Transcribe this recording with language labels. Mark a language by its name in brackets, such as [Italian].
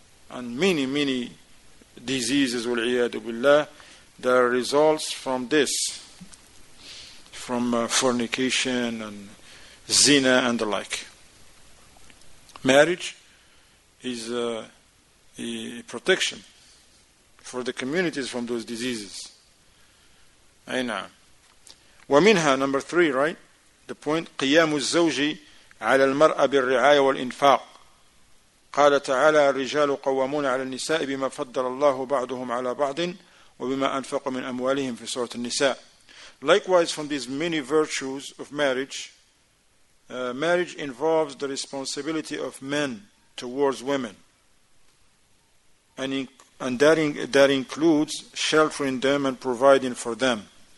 [English] and many, many diseases, wal-iyadu billah, that results from this, from fornication and zina and the like. Marriage is a protection for the communities from those diseases. Aina. وَمِنْهَا number three, right? [Arabic] The point, قِيَامُ الزَّوْجِ عَلَى الْمَرْأَى بِالرِّعَايَ وَالْإِنْفَاقِ قال تعالى الرجال قوامون على النساء بما فضل الله بعضهم على بعض وبما أنفق من أموالهم في سورة النساء. [English] Likewise, from these many virtues of marriage, marriage involves the responsibility of men towards women, and that includes sheltering them and providing for them.